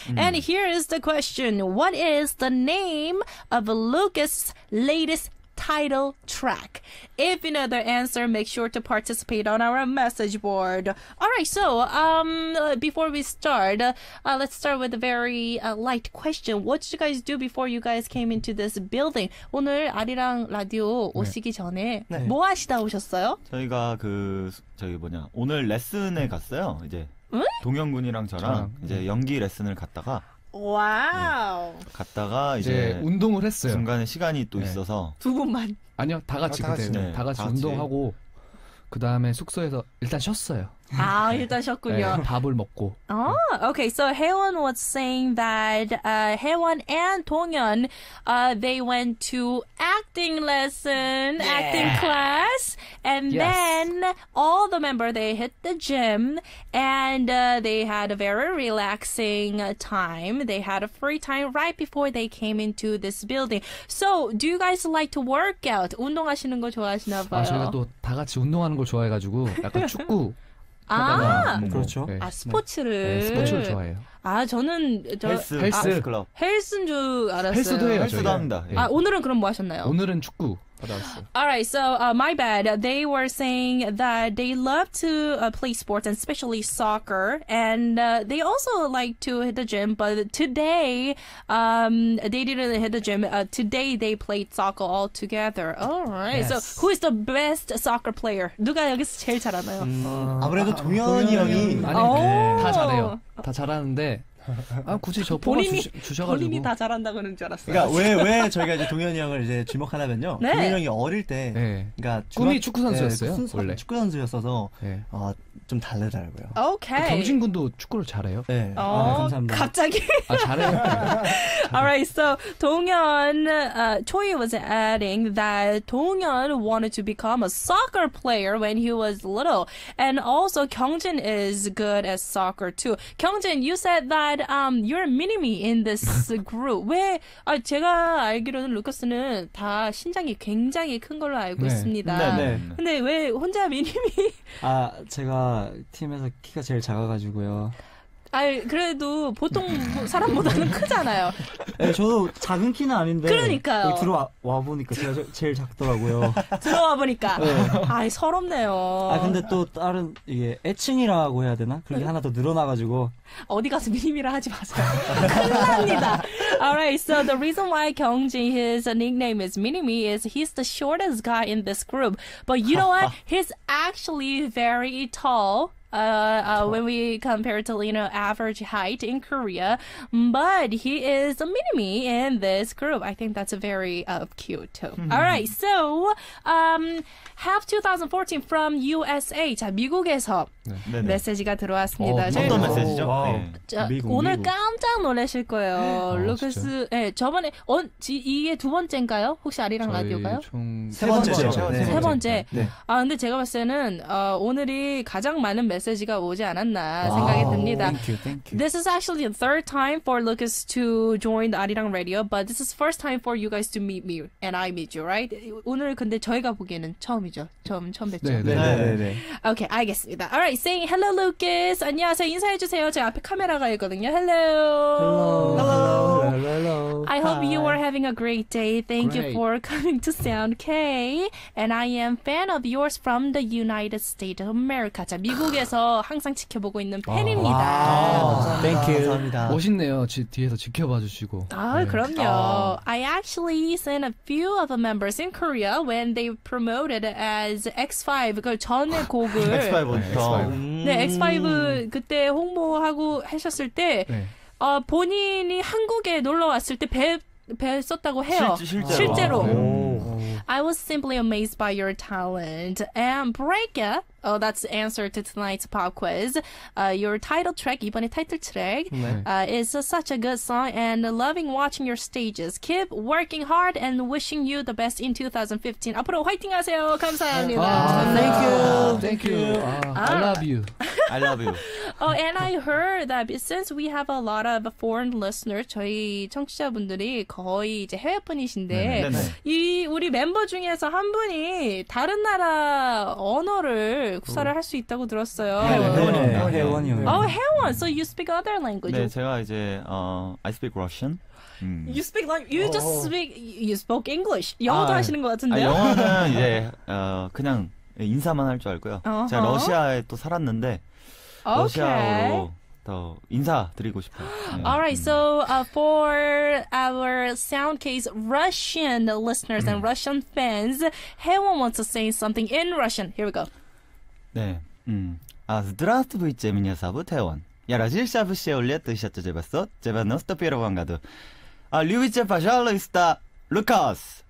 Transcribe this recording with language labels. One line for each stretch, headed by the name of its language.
English: And here is the question. What is the name of Lucas' latest title track? If you know the answer, make sure to participate on our message board. All right, so before we start, let's start with a very light question. What did you guys do before you guys came into this building?
Korean: 오늘 아리랑 라디오 오시기 네. 전에 네. 뭐 하시다 오셨어요? 저희가 그 저기 뭐냐 오늘 레슨에 갔어요. 이제 응? 동현 군이랑 저랑 이제 연기 레슨을 갔다가. 와우. 네. 갔다가 이제 운동을 했어요. 중간에 시간이 또 네. 있어서 두 분만 아니요 다 같이 그때 네. 다 같이 운동하고 그 다음에 숙소에서 일단 쉬었어요. 아 일단 쉬었군요. 네. 밥을 먹고.
English: Oh, okay. So Haewon was saying that Haewon and Donghyun, they went to acting lesson, yeah. acting class, and yes. then all the member they hit the gym and they had a very relaxing time. They had a free time right before they came into this building. So do you guys like to work out?
Korean: 운동하시는 거 좋아하시나 봐요. 아 저희가 또 다 같이 운동하는 걸 좋아해가지고 약간 축구. 아, 그렇죠. 네. 아, 스포츠를. 네. 네, 스포츠를 좋아해요. 아, 저는 저 헬스, 헬스. 아, 클럽. 헬스인 줄 알았어요. 헬스도 해요. 헬스도 합니다. 아, 네. 오늘은 그럼 뭐 하셨나요? 오늘은 축구 받아왔어요.
English: All right, so my bad. They were saying that they love to play sports and especially soccer, and they also like to hit the gym. But today, they didn't hit the gym. Today they played soccer all together. All right. Yes. So who is the best soccer player?
Korean: 누가 여기서 제일 잘하나요? 아무래도 동현이 형이 다 잘해요. 다 잘하는데. 아 굳이 저 본인이 주셔가지고 본인이 다 잘한다고는 줄 알았어요. 그러니까 왜 저희가 이제 동현이 형을 이제 주목하냐면요. 네. 동현이 형이 어릴 때, 네. 그러니까 꿈이 축구 선수였어요. 네, 원래 축구 선수였어서 네. 좀 다르더라고요. 오케이. Okay. 경진 군도 축구를 잘해요. 네. 어, 네 감사합니다. 갑자기. 아 잘해요. 네.
English: Alright, so 동현, Choi was adding that 동현 wanted to become a soccer player when he was little, and also 경진 is good at soccer too. 경진, you said that. You're mini-me in this group.
Korean: 왜? 아, 제가 알기로는 루커스는 다 신장이 굉장히 큰 걸로 알고 네. 있습니다. 네, 네. 근데 왜 혼자 미니미? 아, 제가 팀에서 키가 제일 작아가지고요. 아, 그래도 보통 사람보다는 크잖아요. 네, 저도 작은 키는 아닌데. 그러니까요. 들어와 보니까 제가 제일 작더라고요. 들어와 보니까. 네. 아, 서럽네요. 아, 근데 또 다른 이게 애칭이라고 해야 되나? 그게 하나 더 늘어나가지고. 어디 가서 미니미라 하지 마세요. 큰일납니다.
English: Alright, so the reason why Kyungjin, his nickname is Minimi, is he's the shortest guy in this group. But you know what? He's actually very tall. when we compare to, you know, average height in Korea. But he is a mini-me in this group. I think that's a very cute, too. Mm-hmm. All right, so half 2014 from USA.
Korean: 자, 미국에서 네. 메시지가 들어왔습니다. 오, 어떤 메시지죠? 오, 자, 미국, 오늘 미국. 깜짝 놀라실 거예요. 루카스, 네, 저번에 이게 두 번째인가요? 혹시 아리랑 라디오가요? 세 번째. 네. 아, 근데 제가 봤을 때는 오늘이 가장 많은 메시지가 오지 않았나 생각이 듭니다.
English: Thank you. This is actually the third time for Lucas to join the Arirang Radio, but this is first time for you guys to meet me and I meet you, right?
Korean: 오늘 근데 저희가 보기에는 처음이죠. 처음 뵙죠. 네.
English: Okay,
Korean: 알겠습니다.
English: All right, saying hello, Lucas.
Korean: 안녕하세요. 인사해 주세요. 제 앞에 카메라가 있거든요.
English: Hello. I hope you are having a great day. Thank you for coming to Sound K. And I am fan of yours from the United States of America.
Korean: 자, 미국에서 항상 지켜보고 있는 팬입니다.
English: Wow. Thank you.
Korean: 감사합니다. 멋있네요. 뒤에서 지켜봐 주시고. 아, 그럼요.
English: I actually sent a few of the members in Korea when they promoted as X5.
Korean: 그 전에 곡을. X5부터. 네, X5 그때 홍보하고 하셨을 때 본인이 한국에 놀러 왔을 때 뵀었다고 해요. 실제로.
English: 오. I was simply amazed by your talent. And break it. Oh, that's the answer to tonight's pop quiz. Your title track,
Korean: 이번에 타이틀 트랙, 네.
English: Is such a good song and loving watching your stages. Keep working hard and wishing you the best in 2015.
Korean: 앞으로 화이팅 하세요. 감사합니다.
English: Thank you. I love you. I love you. Oh, and I heard that since we have a lot of foreign listeners,
Korean: 저희 청취자분들이 거의 이제 해외분이신데, 이 우리 멤버 중에서 한 분이 다른 나라 언어를 구사를 할 수 있다고 들었어요. 회원이요.
English: 회원. So you speak other language?
Korean: 네, 제가 이제
English: I speak Russian. You speak like you just speak. You spoke English.
Korean: 영어도 하시는 것 같은데요? 영어는 이제 그냥 인사만 할 줄 알고요. 제가 러시아에 또 살았는데 러시아어로 더 인사드리고 싶어요.
English: Alright, so for our Soundcase Russian listeners and Russian fans, 회원 wants to say something in Russian. Here we go.
Korean: 네.
Russian: Здравствуйте, меня зовут Эван. Я родился в Сеуле 1991 году. Любите, пожалуйста, Лукас.